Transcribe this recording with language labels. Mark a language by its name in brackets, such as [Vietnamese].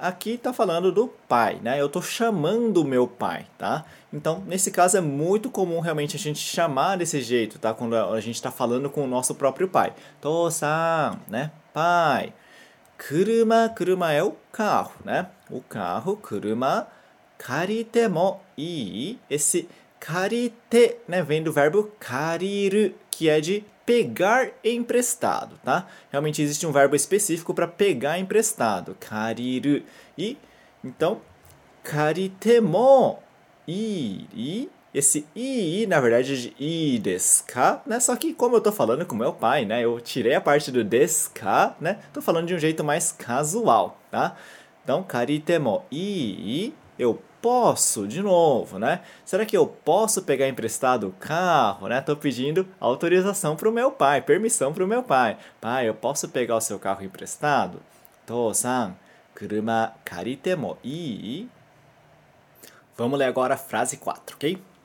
[Portuguese] Aqui tá falando do pai, né? Eu tô chamando o meu pai, tá? Então, nesse caso, é muito comum realmente a gente chamar desse jeito, tá? Quando a gente tá falando com o nosso próprio pai. Tō-san, né? Pai. Kuruma é o carro, né? [Japanese] お carro、車、借りてもいい？ [Portuguese] Esse 借りて、né, vem do verbo 借りる、que é de pegar emprestado, tá? Realmente existe um verbo específico para pegar emprestado, 借りる。 [Japanese] E, então, 借りてもいい？ [Portuguese] Esse いい、na verdade, é de [Japanese] いいですか？ [Portuguese] Né? Só que como eu estou falando com meu pai, né? Eu tirei a parte do ですか？ Né? Estou falando de um jeito mais casual, tá? [Japanese] Então, 借りてもいい？ [Portuguese] Eu posso, de novo, né? Será que eu posso pegar emprestado o carro, né? Tô pedindo autorização pro meu pai, permissão pro meu pai. Pai, eu posso pegar o seu carro emprestado? [Japanese] To-san, kuruma karite mo ii? [Portuguese] Vamos ler agora a frase 4, ok?